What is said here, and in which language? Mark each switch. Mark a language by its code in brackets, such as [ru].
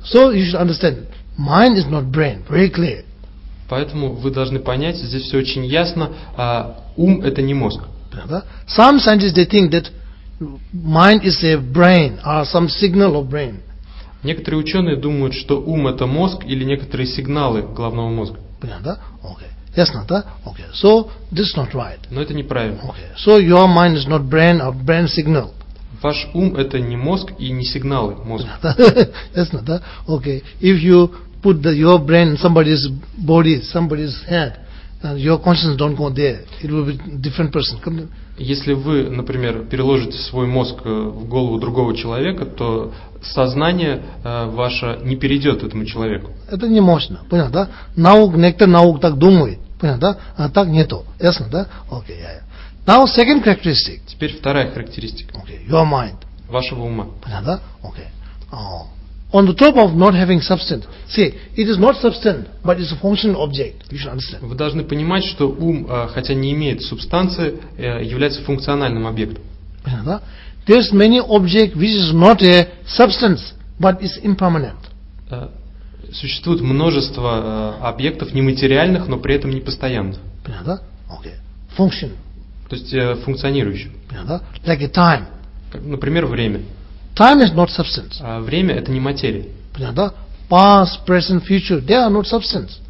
[en] So you should understand, mind is not brain. Very clear. [ru] Поэтому вы должны понять, здесь все очень ясно, ум это не мозг. Понятно, да? [en] Some scientists, they think that mind is a brain or some signal of brain. [ru] Некоторые ученые думают, что ум это мозг или некоторые сигналы головного мозга. Понятно, да? [en] Okay. [ru] Ясно, да? [en] Okay. So this is not right. [ru] Но это неправильно. [en] Okay. So your mind is not brain or brain signal. [ru] Ваш ум это не мозг и не сигналы мозга. Ясно, да? Okay. [en] If you put your brain in somebody's body, somebody's head, your consciousness don't go there. It will be different person. [ru] Если вы, например, переложите свой мозг в голову другого человека, то сознание ваше не перейдет этому человеку. Это не мощно, понятно, да? Некоторые наук так думают, понятно, да? А так нету, ясно, да? [en] Okay, yeah, yeah. Now second characteristic. [ru] Теперь вторая характеристика. [en] Okay, your mind. [ru] Вашего ума. Понятно, да? [en] Okay. on the top of not having substance. See, it is not substance, but it's a functional object. You should understand. [ru] Вы должны понимать, что ум, хотя не имеет субстанции, является функциональным объектом. [en] There's many object which is not a substance, but is impermanent. [ru] Существует множество объектов нематериальных, но при этом непостоянных. Понятно? [en] Okay. Function. [ru] То есть функционирующих. Понятно? [en] Like a time. [ru] Например, время. [en] Time is not substance. [ru] Время — это не материя. Понятно? [en] Past, present, future — they are not substance.